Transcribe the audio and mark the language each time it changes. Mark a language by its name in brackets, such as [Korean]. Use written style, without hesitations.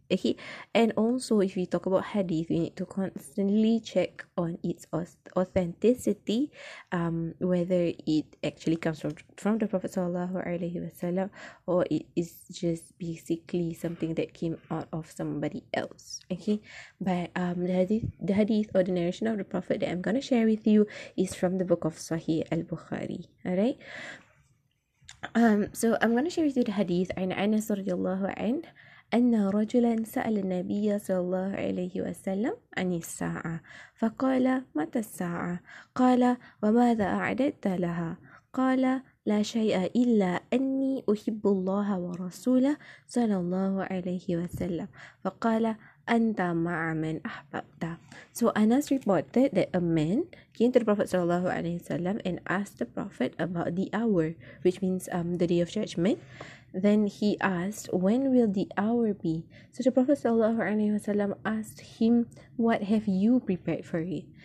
[English] Okay, and also if we talk about hadith, we need to constantly check on its authenticity, whether it actually comes from the Prophet [Arabic] sallallahu alaihi wasallam, [English] or it is just basically something that came out of somebody else. Okay, but the hadith or the narration of the Prophet that I'm gonna share with you is from the book of Sahih al-Bukhari. All right, so I'm gonna share with you the hadith. [Arabic] An Anas radiallahu anhu أن رجلا سأل النبي صلى الله عليه وسلم عن الساعة فقال متى الساعة؟ قال وماذا أعددت لها؟ قال لا شيء إلا أني أحب الله ورسوله صلى الله عليه وسلم فقال أنت مع من أحببت. [English] So Anas reported that a man came to the Prophet [Arabic] صلى الله عليه وسلم [English] and asked the Prophet about the hour, which means the day of judgment. Then he asked, when will the hour be? So the Prophet [Arabic] sallallahu alaihi wasallam [English] asked him, what have you prepared for it?